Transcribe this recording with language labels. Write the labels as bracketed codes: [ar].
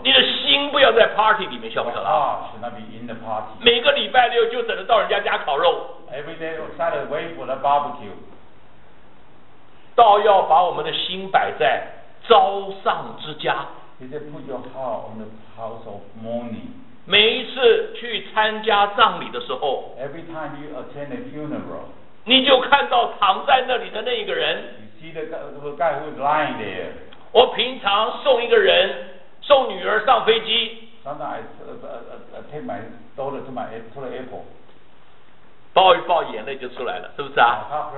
[zh] 你的心不要在 party 里面，晓不晓得 [en] Should not be in the party. [zh] 每个礼拜六就等着到人家家烤肉。 [en] Every day on Saturday, wait for the barbecue. [zh] 倒要把我们的心摆在朝上之家。 [en] He said, put your heart on the house of mourning. [zh] 每一次去参加葬礼的时候 [en] Every time you attend a funeral, [zh] 你就看到躺在那里的那一个人 [en] you see the guy who's lying there. [zh] 我平常送一个人送女儿上飞机 [en] Sometimes I take my daughter to the airport [zh] 抱一抱眼泪就出来了，是不是啊？